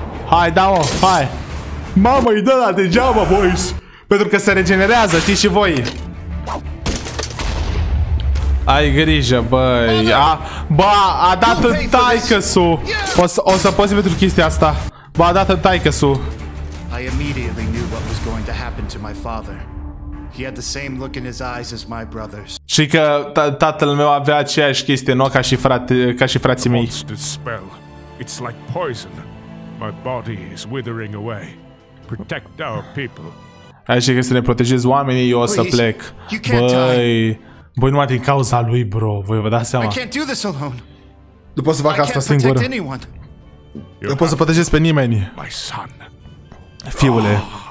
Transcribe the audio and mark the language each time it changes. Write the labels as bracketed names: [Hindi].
[Romanian] Hai, da-mă, hai. Mamă, îi dă la degeaba, boys. Pentru că se regenerează, știți și voi. Ai grijă, băi. A dat în taică-su. O să poți pentru chestia asta. Bă, a dat în taică-su. [English] I immediately knew what was going to happen to my father. He had the same look in his eyes as my brothers. [Romanian] Și că tatăl meu avea aceeași chestie, nu, ca și frații mei. [English] The monster's spell. It's like poison. My body is withering away. Protect our people. [Romanian] Hai și că să ne protejezi oamenii, eu o să plec. Băi, băi, numai din cauza lui, bro. Voi vă dați seama. [English] I can't do this alone. [Romanian] Nu pot să fac asta singur. Nu pot să protejez pe nimeni. [English] My son. [Romanian] Fiule.